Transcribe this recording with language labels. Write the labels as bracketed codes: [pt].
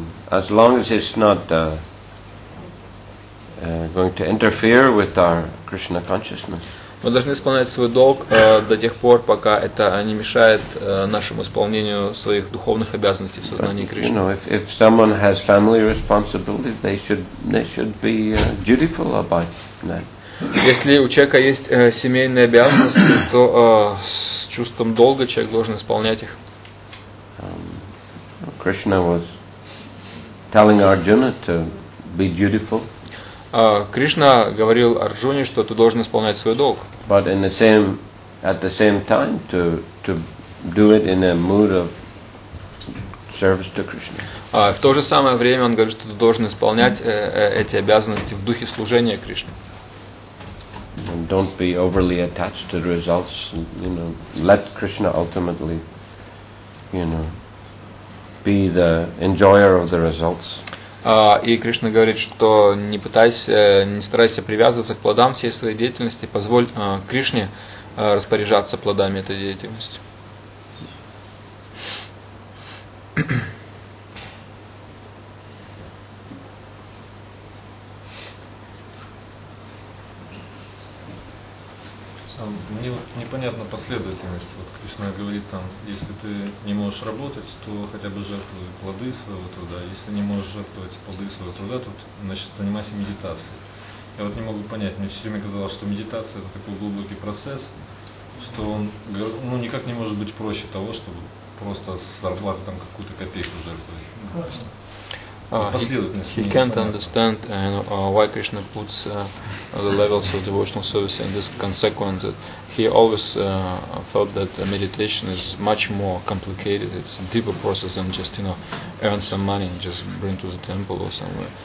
[en] As long as it's not going to interfere with our Krishna consciousness. [ru] Мы должны исполнять свой долг до тех пор, пока это не мешает нашему исполнению своих духовных обязанностей в сознании Кришны. [en] You know, if someone has family responsibilities, they should be dutiful about that. [ru] Если у человека есть семейные обязанности, то с чувством долга человек должен исполнять их. [en] Krishna was telling Arjuna to be dutiful. [ru] Кришна говорил Арджуне, что ты должен исполнять свой долг. [en] But in the same, at the same time, to do it in a mood of service to Krishna. [ru] В то же самое время он говорит, что ты должен исполнять эти обязанности в духе служения Кришне. [en] And don't be overly attached to the results. You know, let Krishna ultimately, you know, be the enjoyer of the results. [ru] И Кришна говорит, что не старайся привязываться к плодам всей своей деятельности, позволь Кришне распоряжаться плодами этой деятельности. Мне вот непонятна последовательность. Вот Кришна говорит там, если ты не можешь работать, то хотя бы жертвуй плоды своего труда. Если не можешь жертвовать плоды своего труда, то значит занимайся медитацией. Я вот не могу понять. Мне все время казалось, что медитация — это такой глубокий процесс, что он никак не может быть проще того, чтобы просто с зарплаты там какую-то копейку жертвовать. [en] He can't understand why Krishna puts the levels of devotional service in this consequence. He always thought that meditation is much more complicated. It's a deeper process than just earn some money and just bring to the temple or somewhere.